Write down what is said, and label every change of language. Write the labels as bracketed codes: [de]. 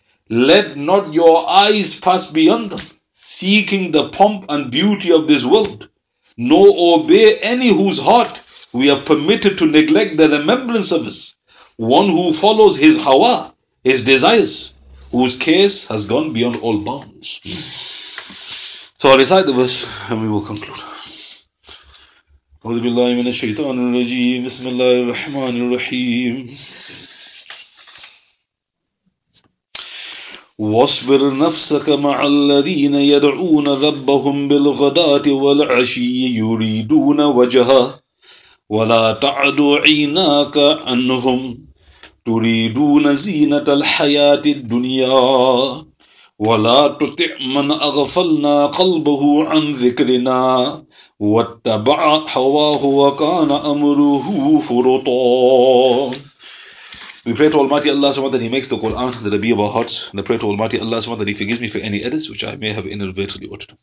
[en] Let not your eyes pass beyond them, seeking the pomp and beauty of this world, nor obey any whose heart we have permitted to neglect the remembrance of us. One who follows his hawa, his desires, whose case has gone beyond all bounds. So I'll recite the verse and we will conclude. [ar] أعوذ بالله من الشيطان الرجيم بسم الله الرحمن الرحيم واصبر نفسك مع الذين يدعون ربهم بالغداة والعشي يريدون وجهه ولا تعد عيناك عنهم تريدون زينة الحياة الدنيا ولا تطع من أغفلنا قلبه عن ذكرنا واتبع هواه وكان أمره فرطا. [en] We pray to Almighty Allah SWT that He makes the Quran the Rabi of our hearts. And I pray to Almighty Allah SWT that He forgives me for any edits which I may have inadvertently uttered.